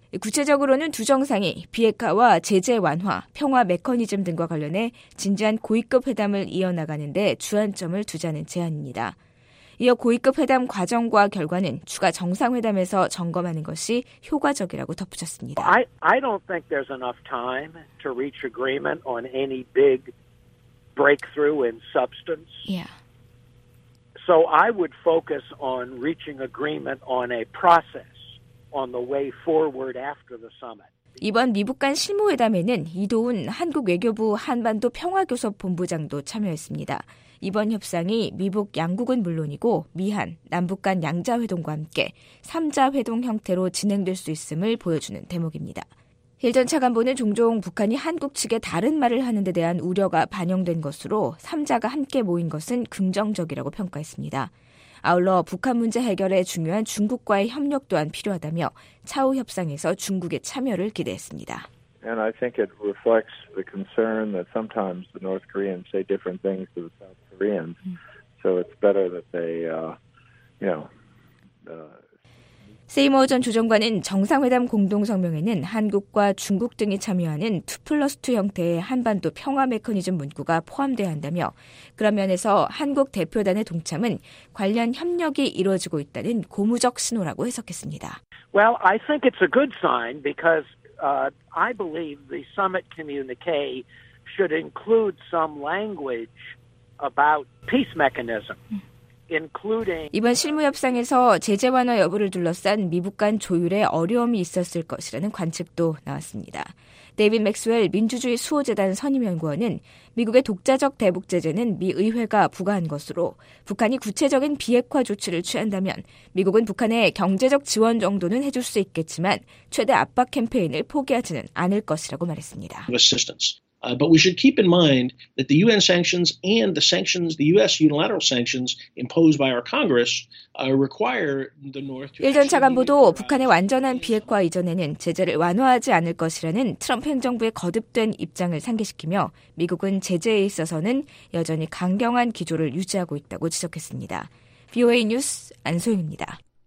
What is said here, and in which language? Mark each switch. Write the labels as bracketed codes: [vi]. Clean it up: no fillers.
[ko] 구체적으로는 두 정상이 비핵화와 제재 완화, 평화 메커니즘 등과 관련해 진지한 고위급 회담을 이어나가는 데 주안점을 두자는 제안입니다. 이어 고위급 회담 과정과 결과는 추가 정상회담에서 점검하는 것이 효과적이라고 덧붙였습니다. [en] I don't think there's enough time to reach agreement on any big breakthrough in substance. Yeah. So I would focus on reaching agreement on a process on the way forward after the summit. [ko] 이번 미북 간 실무회담에는 이도훈 한국 외교부 한반도 평화교섭 본부장도 참여했습니다. 이번 협상이 미북 양국은 물론이고 미한, 남북 간 양자회동과 함께 3자회동 형태로 진행될 수 있음을 보여주는 대목입니다. 힐 전 차관보는 종종 북한이 한국 측에 다른 말을 하는 데 대한 우려가 반영된 것으로 3자가 함께 모인 것은 긍정적이라고 평가했습니다. 아울러 북한 문제 해결에 중요한 중국과의 협력 또한 필요하다며 차후 협상에서 중국의 참여를 기대했습니다. [en] And I think it reflects the concern that sometimes the North Koreans say different things to the South Koreans. So it's better that they, you know. [ko] 세이머 전 조정관은 정상회담 공동성명에는 한국과 중국 등이 참여하는 2+2 형태의 한반도 평화 메커니즘 문구가 포함되어야 한다며 그런 면에서 한국 대표단의 동참은 관련 협력이 이루어지고 있다는 고무적 신호라고 해석했습니다. [en] Well, I think it's a good sign because I believe the summit communique should include some language about peace mechanism. [ko] 이번 실무 협상에서 제재 완화 여부를 둘러싼 미북 간 조율에 어려움이 있었을 것이라는 관측도 나왔습니다. 데이빗 맥스웰 민주주의 수호재단 선임연구원은 미국의 독자적 대북 제재는 미 의회가 부과한 것으로 북한이 구체적인 비핵화 조치를 취한다면 미국은 북한에 경제적 지원 정도는 해줄 수 있겠지만 최대 압박 캠페인을 포기하지는 않을 것이라고 말했습니다. [en] But we should keep in mind that the UN sanctions and the sanctions, the U.S. unilateral sanctions imposed by our Congress require the North to... [ko] 1전 차관보도 북한의 완전한 비핵화 이전에는 제재를 완화하지 않을 것이라는 트럼프 행정부의 거듭된 입장을 상기시키며 미국은 제재에 있어서는 여전히 강경한 기조를 유지하고 있다고 지적했습니다. VOA 뉴스 안소영입니다.